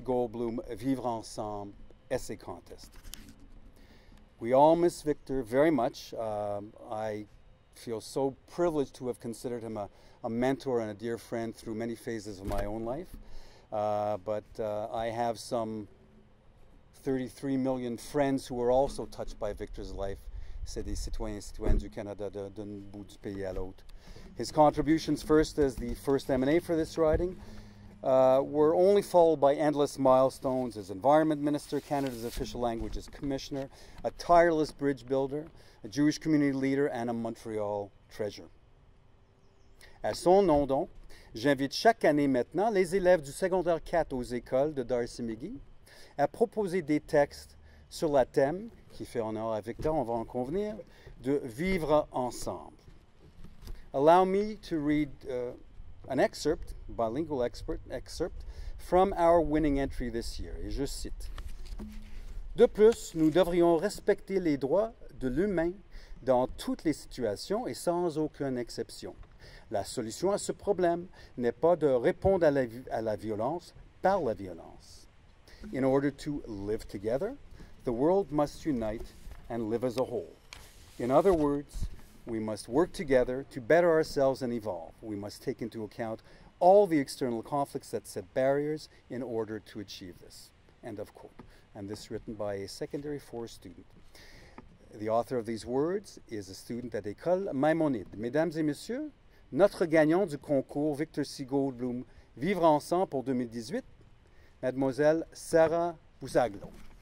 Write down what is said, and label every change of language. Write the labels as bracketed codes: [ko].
[en] Goldbloom Vivre Ensemble essay contest. We all miss Victor very much. I feel so privileged to have considered him a mentor and a dear friend through many phases of my own life. But I have some 33 million friends who were also touched by Victor's life. [fr] C'est des citoyens et citoyennes du Canada d'un bout du pays à l'autre. [en] His contributions, first as the first MNA for this riding, were only followed by endless milestones as Environment Minister, Canada's Official Languages Commissioner, a tireless bridge builder, a Jewish community leader, and a Montreal treasure. [fr] À son nom, donc, j'invite chaque année maintenant les élèves du secondaire 4 aux écoles de D'Arcy-McGee à proposer des textes sur la thème, qui fait honneur à Victor, on va en convenir, de vivre ensemble. [en] allow me to read an excerpt, bilingual excerpt, from our winning entry this year. [fr] Et je cite. De plus, nous devrions respecter les droits de l'humain dans toutes les situations et sans aucune exception. La solution à ce problème n'est pas de répondre à la violence par la violence. [en] In order to live together, the world must unite and live as a whole. In other words, we must work together to better ourselves and evolve. We must take into account all the external conflicts that set barriers in order to achieve this. End of quote. And this is written by a secondary four student. The author of these words is a student at École Maimonide. [fr] Mesdames et messieurs, notre gagnant du concours Victor C. Goldbloom Vivre Ensemble pour 2018, Mademoiselle Sarah Buzaglo.